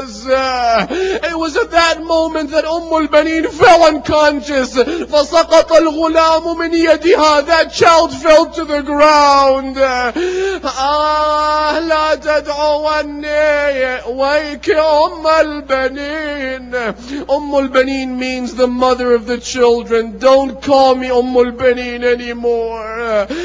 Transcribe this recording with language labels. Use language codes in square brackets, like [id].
[en] It was at that moment that Umm al-Banin fell unconscious. [ar] فَسَقَطَ الْغُلَامُ مِنْ يَدِهَا. [en] That child fell to the ground. [ar] آه لا تدعوني ويك أم البنين. [en] أم البنين means the mother of the children. Don't call me أم البنين anymore.